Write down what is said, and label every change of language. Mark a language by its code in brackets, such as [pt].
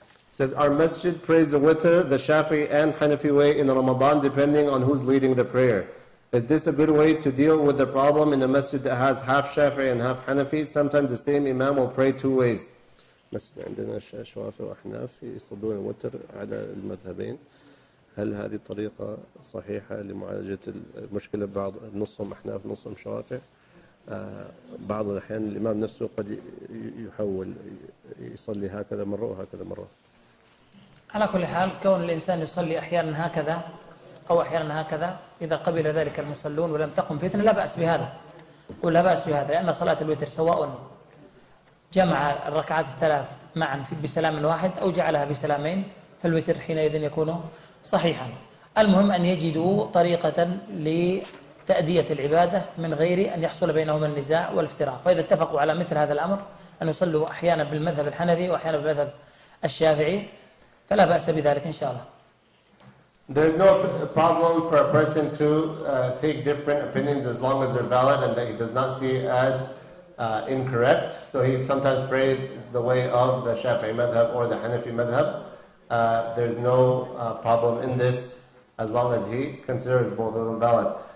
[en] Says, our masjid prays the witr, the Shafi'i and Hanafi way in Ramadan, depending on who's leading the prayer. Is this a good way to deal with the problem in a masjid that has half Shafi'i and half Hanafi? Sometimes the same imam will pray two ways. [ar] مسجد عندنا شوافي وأحناف يصلون الوتر على المذهبين هل هذه طريقة صحيحة لمعالجة المشكلة بعض نصهم أحناف نصهم شوافي بعض الأحيان الإمام نفسه قد يحول يصلي هكذا مرة وهكذا مرة على كل حال كون الإنسان يصلي أحيانا هكذا أو أحيانا هكذا إذا قبل ذلك المصلون ولم تقم فتنة لا بأس بهذا ولا بأس بهذا لأن صلاة الوتر سواء جمع الركعات الثلاث معا بسلام واحد أو جعلها بسلامين فالوتر حينئذ يكون صحيحا المهم أن يجدوا طريقة لتأدية العبادة من غير أن يحصل بينهما النزاع والافتراق فإذا اتفقوا على مثل هذا الأمر أن يصلوا أحيانا بالمذهب الحنفي وأحيانا بالمذهب الشافعي فلا بأس بذلك إن شاء الله [en] There's no problem for a person to take different opinions as long as they're valid and that he does not see it as incorrect. So he sometimes prays the way of the Shafi'i madhab or the Hanafi madhab. There's no problem in this as long as he considers both of them valid.